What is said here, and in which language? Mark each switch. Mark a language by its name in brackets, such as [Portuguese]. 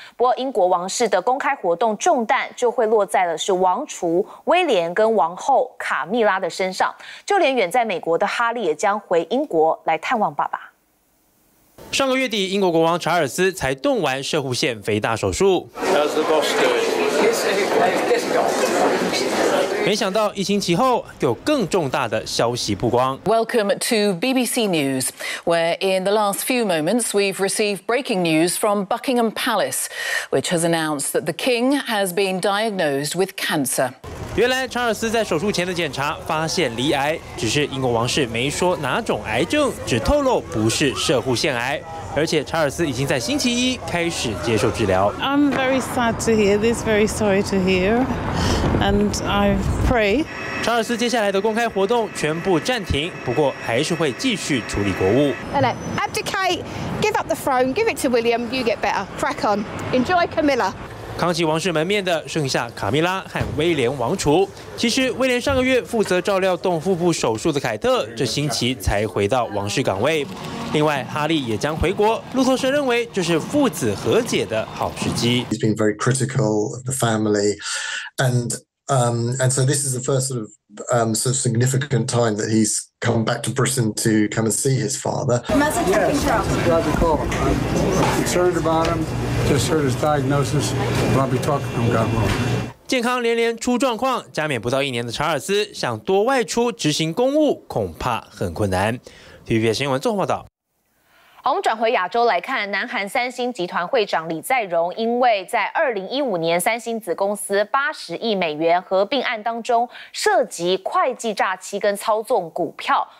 [Chinese] 不过英国王室的公开活动重担就会落在了是王储威廉跟王后卡蜜拉的身上，就连远在美国的哈利也将回英国来探望爸爸。上个月底，英国国王查尔斯才动完射护腺肥大手术。没想到一星期后有更重大的消息曝光。 [English] Welcome to BBC News, where in the last few moments we've received breaking news from Buckingham Palace, which has announced that the King has been diagnosed with cancer. [Chinese] 原来查尔斯在手术前的检查发现罹癌，只是英国王室没说哪种癌症，只透露不是射护腺癌。而且查尔斯已经在星期一开始接受治疗。 [English] I'm very sad to hear this, very sorry to hear, and I pray. [Chinese] 查尔斯接下来的公开活动全部暂停，不过还是会继续处理国务。 [English] Abdicate, give up the throne, give it to William. You get better. Crack on. Enjoy Camilla. [Chinese] 扛起王室门面的剩下卡蜜拉和威廉王储。其实威廉上个月负责照料动腹部手术的凯特，这星期才回到王室岗位。另外，哈利也将回国。路透社认为，这是父子和解的好时机。 [English] He's been very critical of the family, and so this is the first sort of sort of significant time that he's come back to Britain to come and see his father. Yes, I'm glad to call. I'm concerned about him. Just heard his diagnosis. But I'll be talking to him, God willing. [Chinese] 健康连连出状况，加冕不到一年的查尔斯想多外出执行公务，恐怕很困难。 TVBS 新闻综合报道。好，我们转回亚洲来看，南韩三星集团会长李在镕因为在2015年三星子公司80亿美元合并案当中涉及会计诈欺跟操纵股票，